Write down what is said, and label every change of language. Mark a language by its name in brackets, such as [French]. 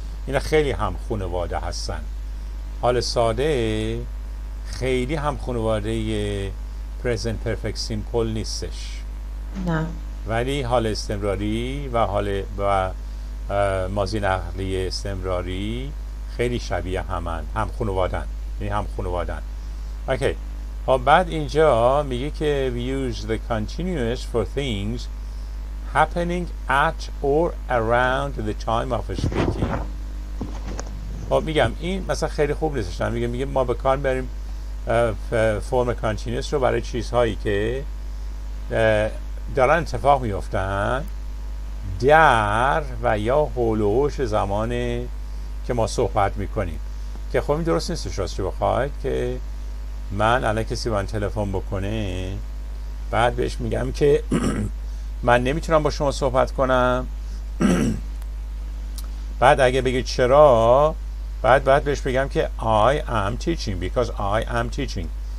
[Persian] اینا خیلی هم خانواده هستن. حال ساده خیلی هم خانواده [English] present perfect simple [Persian] نیستش. نه. ولی حال استمراری و حال و ماضی نقلی استمراری خیلی شبیه همن، هم خانوادن. یعنی هم خانوادن. اوکی. بعد اینجا میگه که [English] we use the continuous for things happening at or around the time of speaking. [Persian] خب میگم این مثلا خیلی خوب نیستشن، میگه ما به کار بریم فرم continuous رو برای چیزهایی که دارن اتفاق میفتن در و یا هولوش زمان که ما صحبت میکنیم، که خب این درست نیستش راستش بخواید، که من الان کسی با من تلفن بکنه بعد بهش میگم که من نمیتونم با شما صحبت کنم، بعد اگه بگید چرا، بعد بهش بگم که [English] I am teaching because I am teaching.